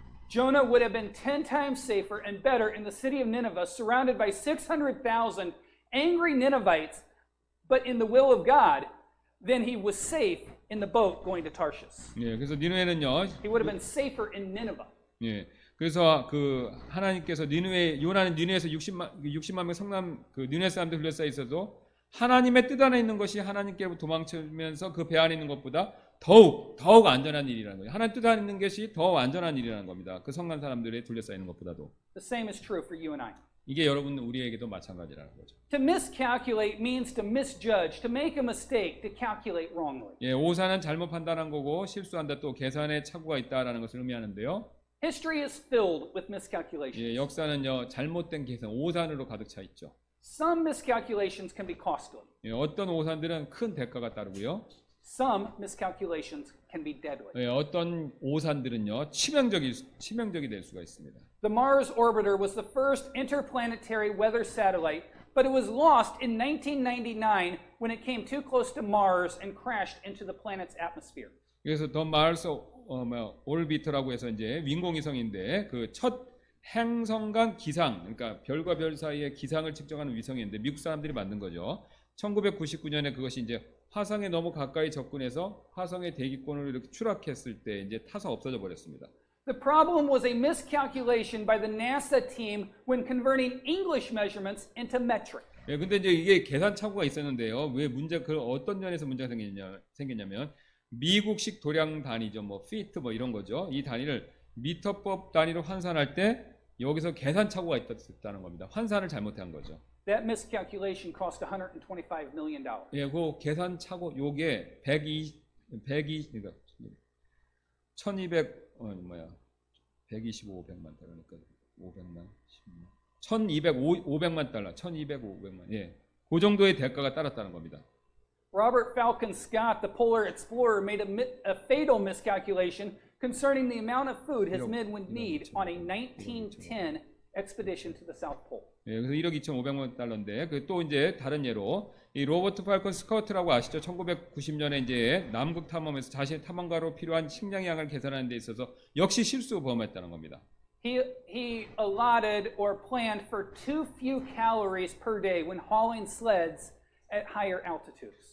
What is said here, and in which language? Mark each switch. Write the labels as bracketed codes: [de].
[en] Jonah would have been 10 times safer and better in the city of Nineveh surrounded by 600,000 angry Ninevites but in the will of God then he was safe in the boat going to Tarshish. [ko] 예, 그래서 니느웨는요. [en] He would have been safer in Nineveh. [ko] 예. 그래서 그 하나님께서 니느웨 요나는 니느웨에서 60만 명 성남 그 니느웨 사람들 둘러싸 있어도 하나님의 뜻 안에 있는 것이 하나님께로 도망치면서 그 배 안에 있는 것보다 더욱 안전한 일이라는 거예요. 하나님 뜻 안에 있는 것이 더 안전한 일이라는 겁니다. 그 성남 사람들에 둘러싸 있는 것보다도. [en] The same is true for you and I. [ko] 이게 여러분 우리에게도 마찬가지라는 거죠. [en] To miscalculate means to misjudge, to make a mistake, to calculate wrongly. [ko] 예, 오산은 잘못 판단한 거고 실수한다 또 계산에 착오가 있다라는 것을 의미하는데요. [en] History is filled with miscalculations. [ko] 예, 역사는요 잘못된 계산 오산으로 가득 차 있죠. [en] Some miscalculations can be costly. [ko] 예, 어떤 오산들은 큰 대가가 따르고요. [en] Some miscalculations can be deadly. [ko] 예, 어떤 오산들은요 치명적이 될 수가 있습니다. [en] The Mars orbiter was the first interplanetary weather satellite, but it was lost in 1999 when it came too close to Mars and crashed into the planet's atmosphere. [ko] 그래서 더 마을스 오르비터라고 해서 이제 인공위성인데 그 첫 행성 간 기상, 그러니까 별과 별 사이의 기상을 측정하는 위성인데 미국 사람들이 만든 거죠. 1999년에 그것이 이제 화성에 너무 가까이 접근해서 화성의 대기권으로 이렇게 추락했을 때 이제 타서 없어져 버렸습니다. [en] The problem was a miscalculation by the NASA team when converting English measurements into metric. [ko] 예, 근데 이제 이게 계산 착오가 있었는데요. 왜 문제 그 어떤 면에서 문제가 생겼냐면 미국식 도량 단위죠. 뭐 feet 뭐 이런 거죠. 이 단위를 미터법 단위로 환산할 때 여기서 계산착오가 있었다는 겁니다. 환산을 잘못한 거죠. [en] That miscalculation cost $125 million. [ko] 예, 그 계산착오 요게 1,250만 달러. 예. 그 정도의 대가가 따랐다는 겁니다. [en] Robert Falcon Scott, the polar explorer, made a fatal miscalculation concerning the amount of food his men would need on a 1910 expedition to the South Pole. [ko] 예, 그래서 1억 2,500만 달러인데 그 또 이제 다른 예로 이 로버트 팔콘 스카우트라고 아시죠? 1990년에 이제 남극 탐험에서 자신의 탐험가로 필요한 식량 양을 계산하는 데 있어서 역시 실수 범했다는 겁니다. [en] He allotted or planned for too few calories per day when hauling sleds at higher altitudes.